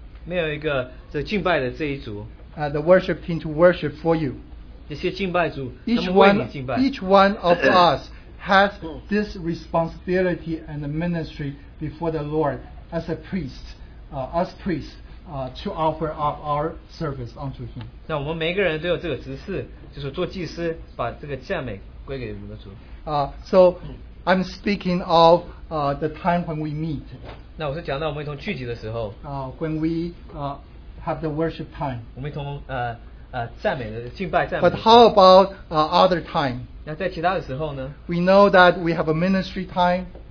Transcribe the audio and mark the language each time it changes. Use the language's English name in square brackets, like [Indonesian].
[Chinese] 没有一个敬拜的这一组, [English] the worship team to worship for you. [Chinese] 这些敬拜组, [English] each one of us has this responsibility and the ministry before the Lord as a priest, us priests, to offer up our service unto Him. [Chinese] 那我们每个人都有这个职事, 就是做祭司, 把这个赞美归给我们的主。 [English] So I'm speaking of the time when we meet. [Chinese] 那我是讲到我们一同聚集的时候, [English] when we have the worship time. [Chinese] 我们一同, 赞美的, 敬拜赞美的时候, [English] but how about other time? [Chinese] 那在其他的时候呢? [English] We know that we have a ministry time.